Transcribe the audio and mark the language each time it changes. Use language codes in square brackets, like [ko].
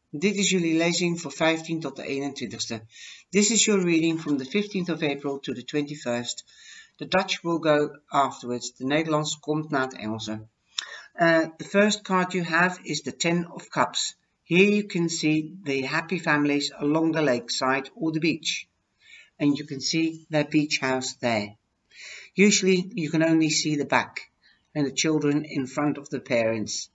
[nl] Dit is jullie lezing voor 15 tot de 21ste. [en] This is your reading from the 15th of April to the 21st. The Dutch will go afterwards. [nl] De Nederlands komt na het Engelse. [en] The first card you have is the Ten of Cups. Here you can see the happy families along the lakeside or the beach. And you can see their beach house there. Usually you can only see the back and the children in front of the parents.